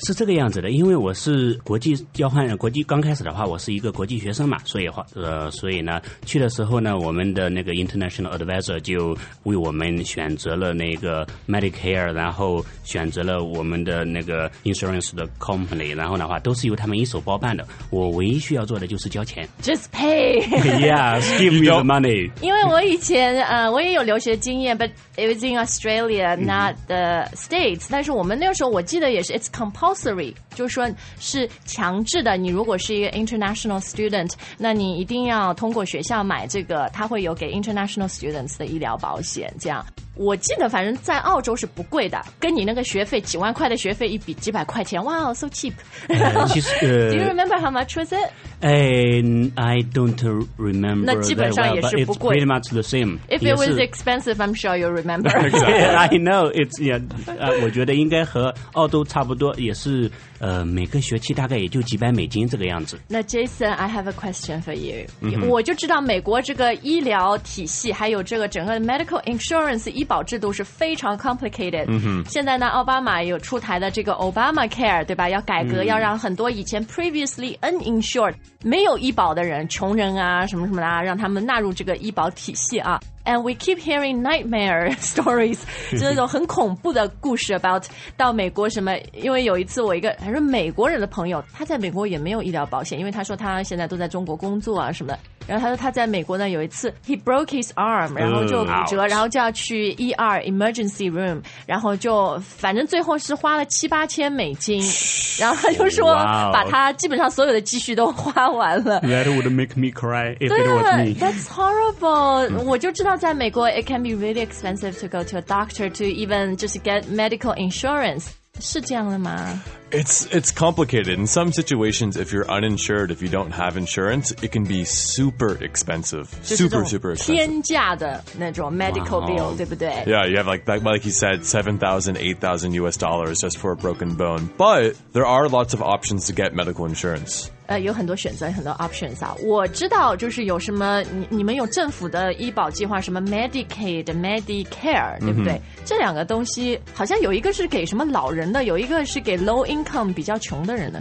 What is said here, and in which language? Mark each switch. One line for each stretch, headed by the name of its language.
Chinese: 是这个样子的，因为我是国际交换，国际刚开始的话，我是一个国际学生嘛，所以呢，去的时候呢，我们的那个 international advisor 就为我们选择了那个 Medicare， 然后选择了我们的那个 insurance 的 company， 然后的话都是由他们一手包办的。我唯一需要做的就是交钱
English: ，just pay， yes， give me the money。
Chinese: 因为我以前我也有留学经验 ，
English: but it was in Australia， not the states。
Chinese: 但是我们那个时候我记得也是 ，
English: it's compulsory，
Chinese: 就是说是强制的。你如果是一个 international student， 那你一定要通过学校买这个，他会有给 international students 的医疗保险，这样。我记得反正在澳洲是不贵的，跟你那个学费几万块的学费一比，几百块钱，哇、wow, ，
English: so cheap。
Chinese: 其实
English: Do you remember how much was it? I don't remember.
Chinese: 那基本上也是不贵。
English: Well, it's pretty much the same. If it was expensive, I'm sure you'll remember. I know it's yeah.
Chinese: 我觉得应该和澳洲差不多，也是每个学期大概也就几百美金这个样子。
English: 那 Jason, I have a question for you.、Mm-hmm.
Chinese: 我就知道美国这个医疗体系还有这个整个 medical insurance 医保制度是非常 complicated、 mm-hmm. 现在呢奥巴马有出台的这个 Obamacare 对吧，要改革、mm-hmm. 要让很多以前
English: previously uninsured
Chinese: 没有医保的人，穷人啊什么什么的、啊、让他们纳入这个医保体系啊。
English: And we keep hearing nightmare stories,
Chinese: 就那种很恐怖的故事 about 到美国什么，因为有一次我一个还是美国人的朋友，他在美国也没有医疗保险，因为他说他现在都在中国工作啊什么的。然后他说他在美国呢有一次
English: he broke his arm,
Chinese: 然后就骨折、
English: Ouch.
Chinese: 然后就要去 ER emergency room, 然后就反正最后是花了$7,000-$8,000，然后他就说把他基本上所有的积蓄都花完了。
English: That would make me cry if it was me. That's horrible.
Chinese: 我就知道在美国
English: it can be really expensive to go to a doctor to even just get medical insurance.
Chinese: 是这样的吗？
English: It's complicated. In some situations, if you're uninsured, if you don't have insurance, it can be super expensive. Super, super expensive.
Chinese: 天价的那种 medical bill,、 wow. 对不对？
English: Yeah, you have like you said, $7,000-$8,000 just for a broken bone. But there are lots of options to get medical insurance.
Chinese: 有很多选择，很多 options 啊。我知道就是有什么你们有政府的医保计划，什么 Medicaid Medicare 对不对、嗯、这两个东西好像有一个是给什么老人的，有一个是给 low income 比较穷的人的。